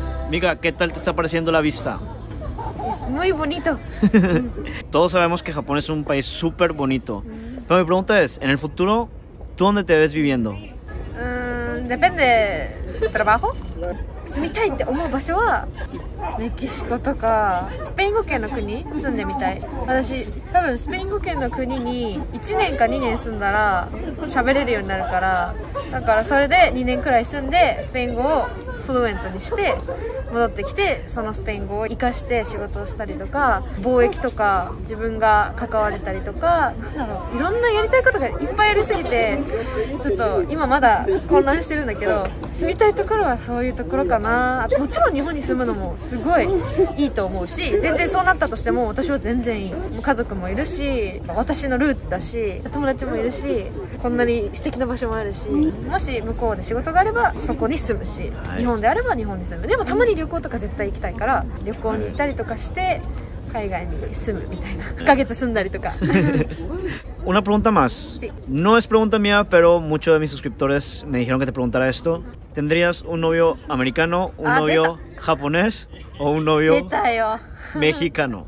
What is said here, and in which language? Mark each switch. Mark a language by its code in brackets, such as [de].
[es] Mika, ¿qué tal te está pareciendo la vista? Es muy bonito. Todos sabemos que Japón es un país súper bonito. Pero mi pregunta es, en el futuro, ¿tú dónde te ves viviendo? Depende del trabajo. [ja] 住みたいって思う場所はメキシコとかスペイン語圏の国住んでみたい。私多分スペイン語圏の国に1年か2年住んだら喋れるようになるから、だからそれで2年くらい住んでスペイン語をフルエントにして戻ってきて、そのスペイン語を活かして仕事をしたりとか、貿易とか自分が関われたりとか、なんだろう、いろんなやりたいことがいっぱいありすぎて、ちょっと今まだ混乱してるんだけど、住みたいところはそういうところかな。もちろん日本に住むのもすごいいいと思うし、全然そうなったとしても私は全然いい。もう家族もいるし、私のルーツだし、友達もいるし、こんなに素敵な場所もあるし、もし向こうで仕事があればそこに住むし、日本であれば日本に住む。でもたまに旅行とか絶対行きたいから、旅行に行ったりとかして海外に住むみたいな、1ヶ月住んだりとか。 [es] Una pregunta más. No es pregunta mía, pero muchos de mis suscriptores me dijeron que te preguntara esto. ¿Tendrías un novio americano, un novio japonés o un novio mexicano?